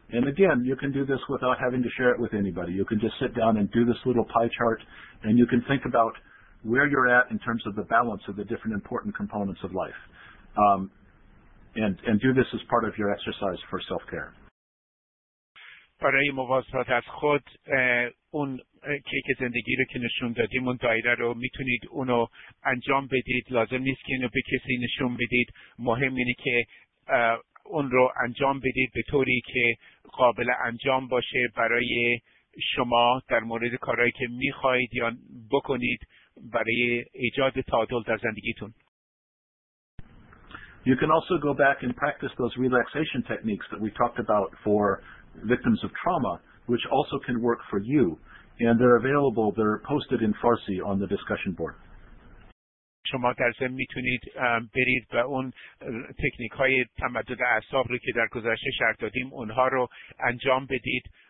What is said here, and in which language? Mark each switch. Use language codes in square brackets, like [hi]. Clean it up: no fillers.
[en] And again, you can do this without having to share it with anybody. You can just sit down and do this little pie chart and you can think about where you're at in terms of the balance of the different important components of life. And do this as part of your exercise for self-care. [fa] برای مواظبت از خود اون کیک زندگی رو که نشون دادیم، اون دایره رو میتونید اونو انجام بدید. لازم نیست که اینو به کسی نشون بدید. مهم اینه که اون رو انجام بدید به طوری که قابل انجام باشه برای شما در مورد کارهایی که میخواهید یا بکنید برای ایجاد تعادل در زندگیتون. [en] You can also go back and practice those relaxation techniques that we talked about for victims of trauma which also can work for you. And they're available, they're posted in Farsi on the discussion board. [fa] شما در ضمن میتونید برید و اون تکنیک های تمدد اعصاب رو که در گذشته شرح دادیم اونها رو انجام بدید.